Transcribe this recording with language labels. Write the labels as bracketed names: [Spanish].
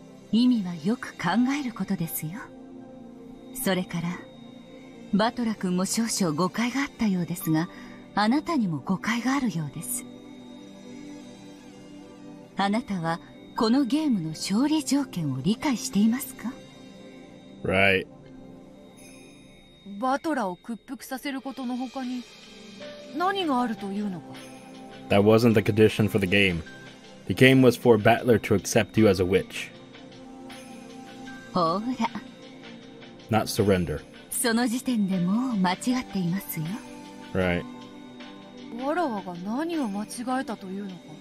[Japanese] 意味はよく考えることですよ。それからバトラ君も少々誤解があったようですが、あなたにも誤解があるようです。あなたはこのゲームの勝利条件を理解していますか? [English] Right. [Japanese] バトラを屈服させることの他に何があるというのか? [English] That wasn't the condition for the game. The game was for Battler to accept you as a witch. [Japanese] ほら. [English] Not surrender. [Japanese] その時点でもう間違っていますよ. [English] Right. [Japanese] わらわが何を間違えたというのか?